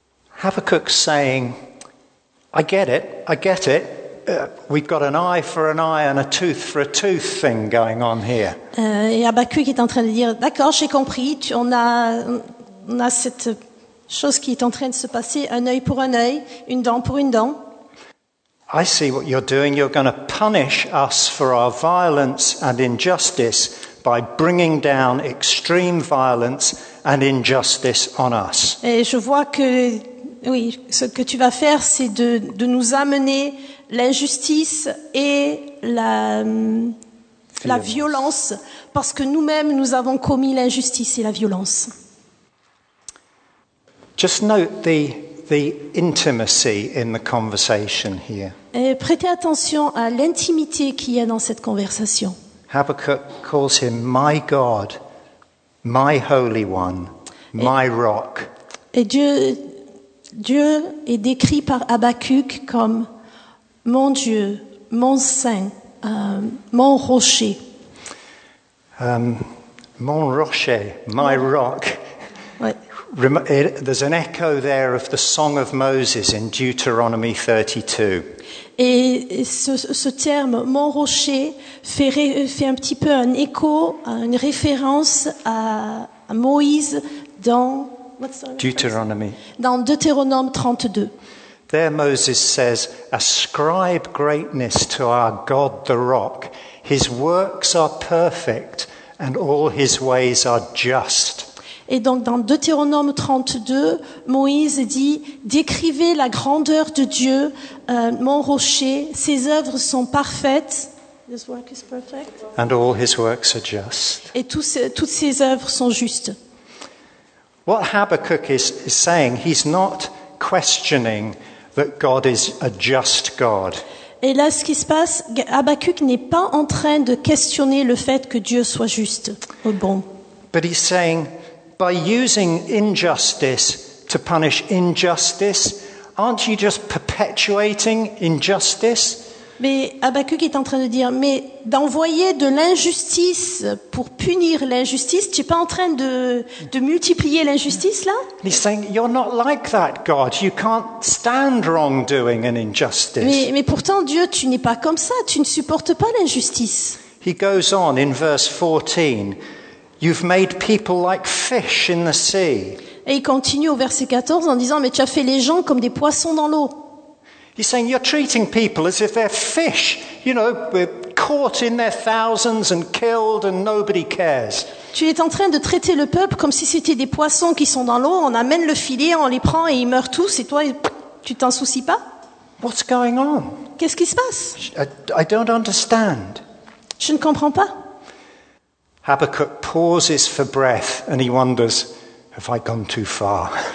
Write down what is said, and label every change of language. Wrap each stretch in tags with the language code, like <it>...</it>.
<en>Habakkuk saying, I get it, I get it. We've got an eye for an eye and a tooth for a tooth thing going on here.</en> <fr>Et Habakkuk est en train de dire, d'accord, j'ai compris, on a cette chose qui est en train de se passer, un œil pour un œil, une dent pour une dent.</fr> <en>I see what you're doing. You're going to punish us for our violence and injustice, by bringing down extreme violence and injustice on us.</en> <fr>Et je vois que oui, ce que tu vas faire, c'est de nous amener l'injustice et la violence, parce que nous-mêmes nous avons commis l'injustice et la violence.</fr> <en>Just note the intimacy in the conversation here.</en> <fr>Et prêtez attention à l'intimité qu'il y a dans cette conversation.</fr> <en>Habakkuk calls him my God, my Holy One, my Rock.</en> <fr>Et Dieu est décrit par Habakkuk comme mon Dieu, mon Saint, mon Rocher. Mon Rocher,</fr> <en>my Rock. There's an echo there of the Song of Moses in Deuteronomy 32.</en> <fr>Et ce terme, mon rocher, fait un petit peu un écho, une référence à Moïse dans Deutéronome 32.</fr> <en>There Moses says, ascribe greatness to our God the Rock. His works are perfect and all his ways are just.</en> <fr>Et donc dans Deutéronome 32, Moïse dit, décrivez la grandeur de Dieu, mon rocher, ses œuvres sont parfaites.</fr> <en>His work is perfect. And all his works are just.</en> <fr>Et toutes ses œuvres sont justes.</fr> <en>What Habakkuk is saying, he's not questioning that God is a just God.</en> <fr>Et là, ce qui se passe, Habakkuk n'est pas en train de questionner le fait que Dieu soit juste ou bon.</fr> <en>But he's saying, by using injustice to punish injustice, aren't you just perpetuating injustice?</en> <fr>Mais Habakkuk est en train de dire, mais d'envoyer de l'injustice pour punir l'injustice, tu n'es pas en train de multiplier l'injustice là?</fr> <en>He's saying, you're not like that, God. You can't stand wrongdoing and injustice.</en> <fr>Mais pourtant, Dieu, tu n'es pas comme ça. Tu ne supportes pas l'injustice.</fr> <en>He goes on in verse 14. You've made people like fish in the sea.</en> <fr>Et il continue au verset 14 en disant, mais tu as fait les gens comme des poissons dans l'eau.</fr> <en>He's saying you're treating people as if they're fish, you know, caught in their thousands and killed and nobody cares.</en> <fr>Tu es en train de traiter le peuple comme si c'était des poissons qui sont dans l'eau, on amène le filet, on les prend et ils meurent tous et toi, tu t'en soucies pas?</fr> <en>What's going on?</en> <fr>Qu'est-ce qui se passe?</fr> <en>I don't understand.</en> <fr>Je ne comprends pas.</fr> <en>Habakkuk pauses for breath and he wonders, have I gone too far?</en>